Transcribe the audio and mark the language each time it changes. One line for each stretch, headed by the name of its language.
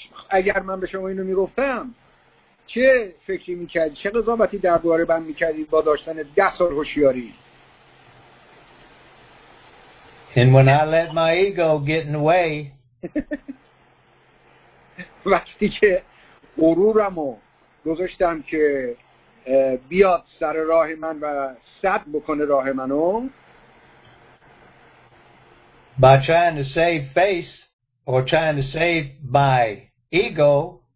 Persian: اگر من به شما اینو میگفتم چه فکری میکردی؟ چه قضاوتی درباره من میکردی با داشتن 10 سال هوشیاری؟
English: And when I let my ego get in the way,
Persian: وقتی که غرورم رو گذاشتم که بیاد سر راه من و سد بکنه راه منو،
English: by trying to save face or trying to save my ego،